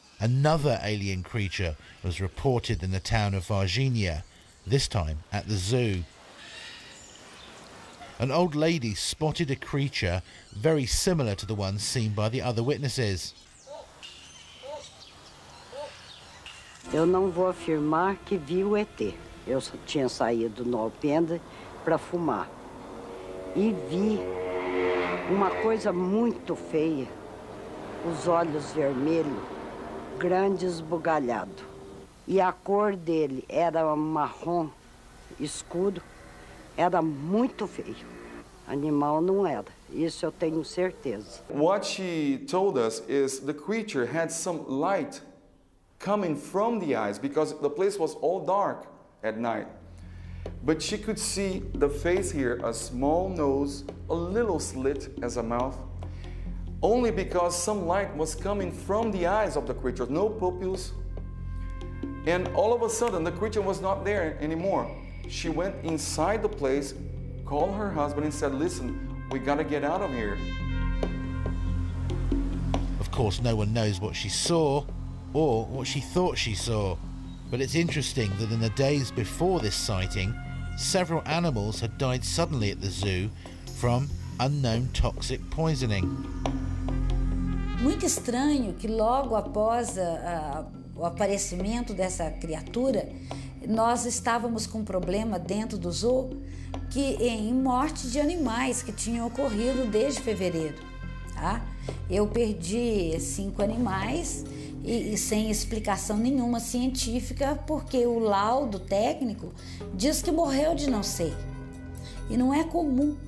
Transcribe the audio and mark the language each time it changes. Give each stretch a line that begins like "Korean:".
English: another alien creature was reported in the town of Varginha, this time at the zoo. An old lady spotted a creature very similar to the one seen by the other witnesses.
Portuguese: Eu não vou afirmar que vi o ET. Eu tinha saído no alpendre para fumar. E vi uma coisa muito feia, os olhos vermelhos, grandes bugalhados. E a cor dele era marrom escuro, era muito feio. Animal não era, isso eu tenho certeza.
English: What she told us is the creature had some light coming from the eyes because the place was all dark at night. But she could see the face here, a small nose, a little slit as a mouth, only because some light was coming from the eyes of the creature, no pupils. And all of a sudden, the creature was not there anymore. She went inside the place, called her husband and said, listen, we gotta get out of here. Of course, no one knows what she saw or what she thought she saw. But it's interesting that in the days before this sighting, several animals had died suddenly at the zoo from unknown toxic poisoning.
Portuguese: Muito estranho que logo após o aparecimento dessa criatura, nós estávamos com um problema dentro do zoo que em morte de animais que tinham ocorrido desde fevereiro. Tá? Eu perdi 5 animais e sem explicação nenhuma científica, porque o laudo técnico diz que morreu de não sei. E não é comum.